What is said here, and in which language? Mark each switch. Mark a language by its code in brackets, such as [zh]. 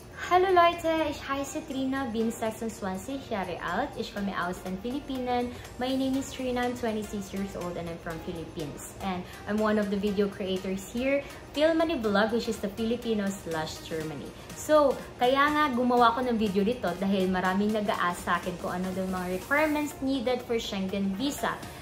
[de] Hallo Leute, ich heiße Trina, bin 26 Jahre alt, ich komme aus den Philippinen. [en] My name is Trina, I'm 26 years old and I'm from Philippines. And I'm one of the video creators here, Filmany Vlog, which is the Filipino/Germany. [tl] So, kaya nga gumawa ko ng video dito dahil maraming nag-a-ask sa akin kung ano yung mga [en] requirements needed for Schengen visa.